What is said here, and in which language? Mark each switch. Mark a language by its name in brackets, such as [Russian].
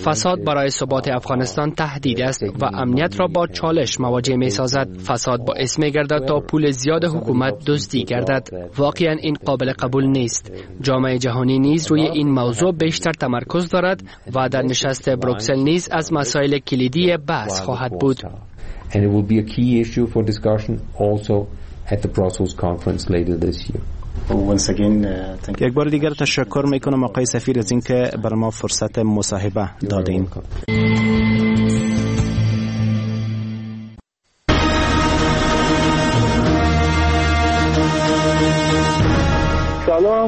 [Persian] فساد برای ثبات افغانستان تهدید است و امنیت را با چالش مواجه میسازد. فساد باعث میگردد تا پول زیاد حکومت دیگردد. واقعا این قابل قبول نیست. جامعه جهانی نیز روی این موضوع بیشتر تمرکز دارد و در نشست بروکسل نیز از مسائل کلیدی بحث خواهد بود. [English] And it will be a key issue for discussion also at the Brussels conference later this year. Once again, [Persian] یک بار دیگر تشکر میکنم آقای سفیر از اینکه بر ما فرصت مصاحبه دادین. سلام،